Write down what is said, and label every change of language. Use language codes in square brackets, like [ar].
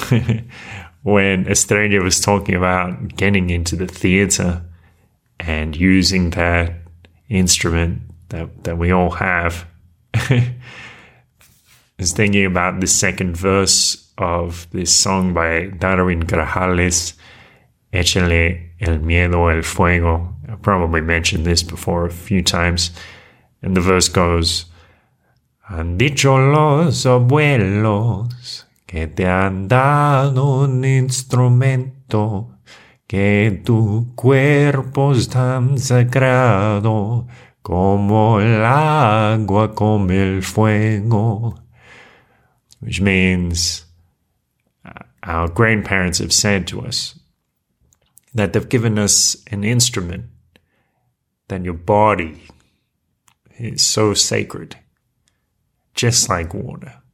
[en] When Estreyah was talking about getting into the theater and using that instrument that we all have, I was thinking about the second verse of this song by Darwin Grajales, Échale el miedo al fuego. I probably mentioned this before a few times. And the verse goes, [es] han dicho los abuelos que te han dado un instrumento que tu cuerpo es tan sagrado como el agua como el fuego. [en] Which means our grandparents have said to us that they've given us an instrument, then your body is so sacred, just like water,